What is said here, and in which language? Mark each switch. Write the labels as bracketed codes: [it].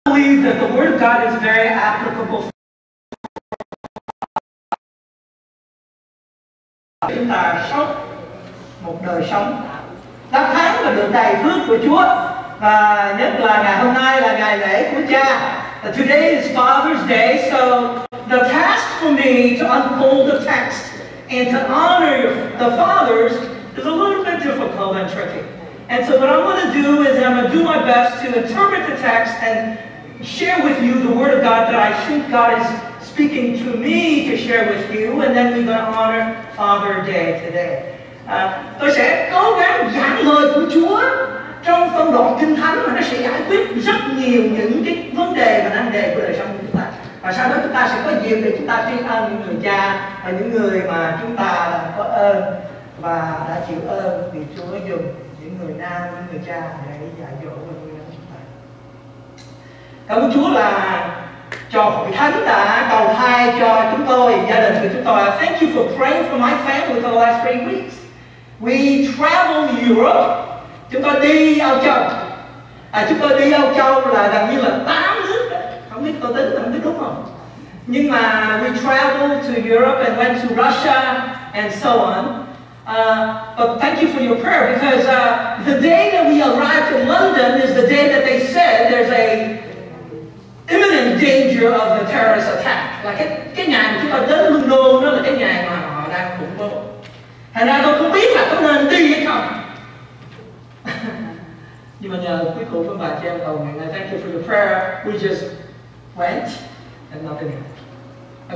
[en] believe that the word of God is very applicable. [vi] Chúng ta sống một đời sống đắc thắng và được đầy phước của Chúa, và nhất là ngày hôm nay là ngày lễ của Cha. [en] Today is Father's Day, so the task for me to unfold the text and to honor the fathers is a little bit difficult and tricky. And so what I'm going to do is I'm going to do my best to interpret the text and share with you the word of God that I think God is speaking to me to share with you, and then we're going to honor Father Day today. [vi] Tôi sẽ cố gắng giảng lời của Chúa trong phân đoạn Kinh Thánh, và nó sẽ giải quyết rất nhiều những cái vấn đề và nan đề của đời sống của chúng ta. Và sau đó chúng ta sẽ có dịp để chúng ta tri ân những người cha và những người mà chúng ta có ơn và đã chịu ơn vì Chúa dùng những người nam, những người cha để dạy dỗ và nuôi dưỡng chúng ta. Cảm ơn Chúa là cho Hội Thánh đã cầu thai cho chúng tôi, gia đình của chúng tôi. [en] Thank you for praying for my family for the last 3 weeks. We traveled Europe. [vi] Chúng tôi đi Âu Châu. Chúng tôi đi Âu Châu là gần như là 8 nước. Không biết tôi tính, không biết đúng không? Nhưng mà [en] we traveled to Europe and went to Russia and so on. But thank you for your prayer, because the day that we arrived in London is the day that they said there's a imminent danger of the terrorist attack. [vi] Là cái ngày mà chúng ta đến London đó là cái ngày mà họ đang khủng bố. Thành ra tôi không biết là có nên đi hay không. Nhưng mà nhờ quý cô phương bà cho em cầu nguyện, [en] thank you for your prayer. We just went and nothing happened.